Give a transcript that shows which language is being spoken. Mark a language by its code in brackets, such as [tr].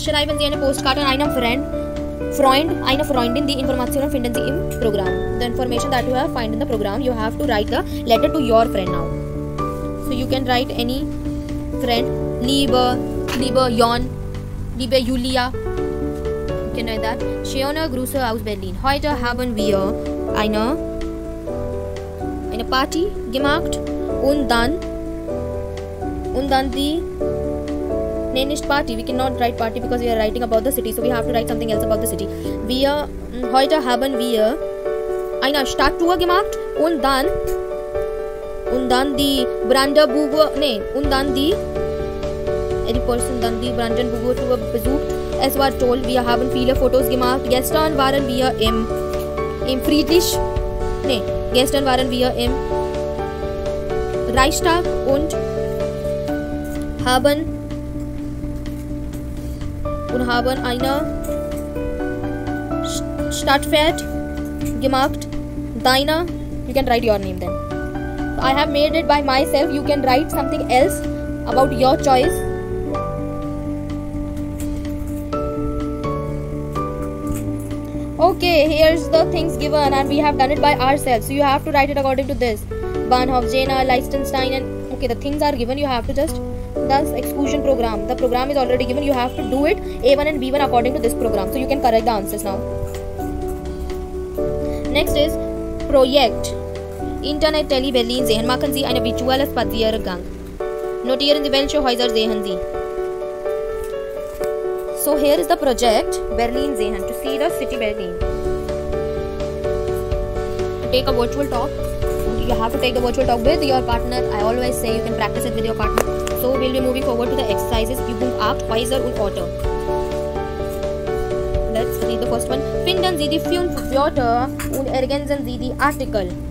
[de] Schreiben Sie eine Postkarte an einen Freund, eine Freundin, die Informationen finden Sie im Programm. [en] The information that you have find in the program, you have to write the letter to your friend now. So you can write any friend. [de] Liebe Jon, liebe Julia. [en] You can write that. [de] Schöne Grüße aus Berlin. Heute haben wir eine Party gemacht und dann die. Nein, nicht Party. [en] We cannot write party because we are writing about the city. So we have to write something else about the city. [de] Heute haben wir eine Stadttour gemacht und dann die Brandenburger. Nein, und dann die. [en] Any person [de] dann die Brandenburger Tour besucht. Es war toll. Wir haben viele Fotos gemacht. Gestern waren wir im Friedrich. Nee, gestern waren wir im Reichstag und haben eine Stadtfahrt gemacht. Deiner. [en] You can write your name then. I have made it by myself. You can write something else about your choice. Okay, here's the things given and we have done it by ourselves. So you have to write it according to this. Bahnhof, Jena, Liechtenstein and... Okay, the things are given. You have to just... That's exclusion program. The program is already given. You have to do it A1 and B1 according to this program. So you can correct the answers now. Next is Projekt. [de] Internet, Tele, Berlin, Sehen, Machen Sie eine virtuelle Spaziergang. Notieren Sie, welche Häuser sehen Sie. [en] So here is the project, Berlin Sehen, to see the city Berlin. Take a virtual talk. You have to take the virtual talk with your partner. I always say you can practice it with your partner. So we'll be moving forward to the exercises. You can act wiser und order. Let's Let's read the first one. [de] Finden Sie die Fünf-Wörter und ergänzen Sie die Artikel.